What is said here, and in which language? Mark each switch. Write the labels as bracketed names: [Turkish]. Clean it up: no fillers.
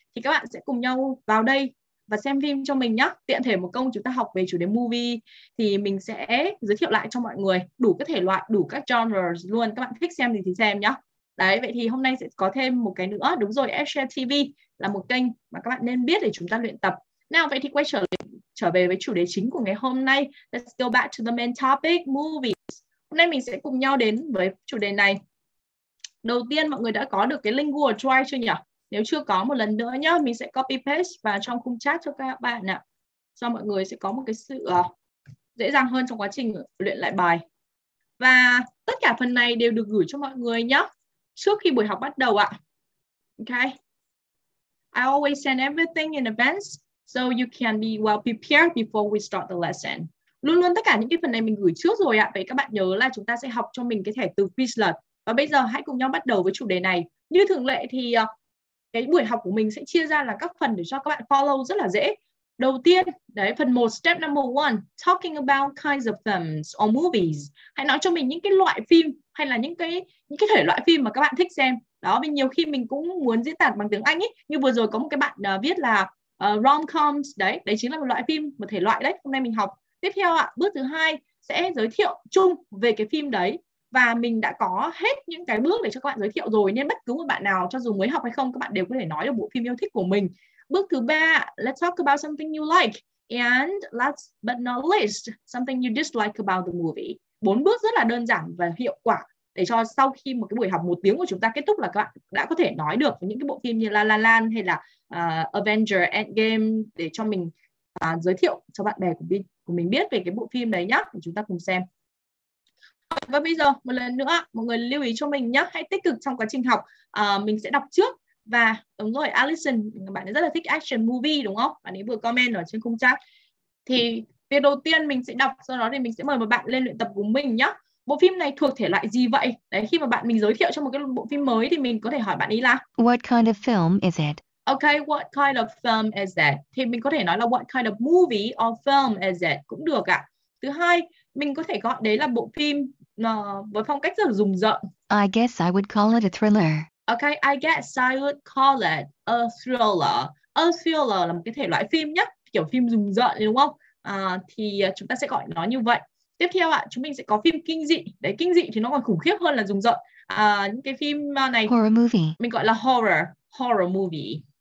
[Vietnamese] Thì các bạn sẽ cùng nhau vào đây và xem phim cho mình nhá. Tiện thể một công chúng ta học về chủ đề movie thì mình sẽ giới thiệu lại cho mọi người đủ các thể loại, đủ các genres luôn, các bạn thích xem thì xem nhá. Đấy, vậy thì hôm nay sẽ có thêm một cái nữa, đúng rồi, Share TV là một kênh mà các bạn nên biết để chúng ta luyện tập. Nào, vậy thì quay trở về với chủ đề chính của ngày hôm nay. [English] Let's go back to the main topic, movies. [Vietnamese] Hôm nay mình sẽ cùng nhau đến với chủ đề này. Đầu tiên, mọi người đã có được cái link Google Drive chưa nhỉ? Nếu chưa có, một lần nữa nhá, mình sẽ copy paste vào trong khung chat cho các bạn ạ. Cho mọi người sẽ có một cái sự dễ dàng hơn trong quá trình luyện lại bài. Và tất cả phần này đều được gửi cho mọi người nhá, trước khi buổi học bắt đầu ạ. Ok. [English] I always send everything in advance, so you can be well prepared before we start the lesson. [Vietnamese] Luôn luôn tất cả những cái phần này mình gửi trước rồi ạ. Vậy các bạn nhớ là chúng ta sẽ học cho mình cái thẻ từ Quizlet. Và bây giờ hãy cùng nhau bắt đầu với chủ đề này. Như thường lệ thì cái buổi học của mình sẽ chia ra là các phần để cho các bạn follow rất là dễ. Đầu tiên, đấy, phần 1, [English] step number 1, talking about kinds of films or movies. [Vietnamese] Hãy nói cho mình những cái loại phim hay là những cái thể loại phim mà các bạn thích xem. Đó, vì nhiều khi mình cũng muốn diễn đạt bằng tiếng Anh ấy. Như vừa rồi có một cái bạn viết là rom-coms, đấy chính là một loại phim, một thể loại đấy, hôm nay mình học. Tiếp theo ạ, bước thứ 2 sẽ giới thiệu chung về cái phim đấy. Và mình đã có hết những cái bước để cho các bạn giới thiệu rồi, nên bất cứ một bạn nào, cho dù mới học hay không, các bạn đều có thể nói được bộ phim yêu thích của mình. Bước thứ 3, [English] let's talk about something you like. And last but not least, something you dislike about the movie. [Vietnamese] 4 bước rất là đơn giản và hiệu quả để cho sau khi một cái buổi học 1 tiếng của chúng ta kết thúc là các bạn đã có thể nói được những cái bộ phim như La La Land hay là Avengers Endgame, để cho mình giới thiệu cho bạn bè của mình biết về cái bộ phim đấy nhá, để chúng ta cùng xem. Và bây giờ một lần nữa mọi người lưu ý cho mình nhá, hãy tích cực trong quá trình học. Mình sẽ đọc trước. Và đúng rồi, Allison, bạn ấy rất là thích action movie đúng không? Bạn ấy vừa comment ở trên khung chat. Thì việc đầu tiên mình sẽ đọc, sau đó thì mình sẽ mời một bạn lên luyện tập của mình nhá. Bộ phim này thuộc thể loại gì vậy? Đấy, khi mà bạn mình giới thiệu cho một cái bộ phim mới thì mình có thể hỏi bạn ấy là [English] what kind of film is it? Okay, what kind of film is it? [Vietnamese] Thì mình có thể nói là [English] what kind of movie or film is it [Vietnamese] cũng được ạ. Thứ hai, mình có thể gọi đấy là bộ phim với phong cách rất là rùng rợn. [English] I guess I would call it a thriller. Okay, I guess I would call it a thriller. [Vietnamese] A thriller là một cái thể loại phim nhá, kiểu phim rùng rợn đúng không? Thì chúng ta sẽ gọi nó như vậy. Tiếp theo ạ, chúng mình sẽ có phim kinh dị. Đấy, kinh dị thì nó còn khủng khiếp hơn là rùng rợn. Những cái phim này [English] horror movie. [Vietnamese] Mình gọi là horror movie.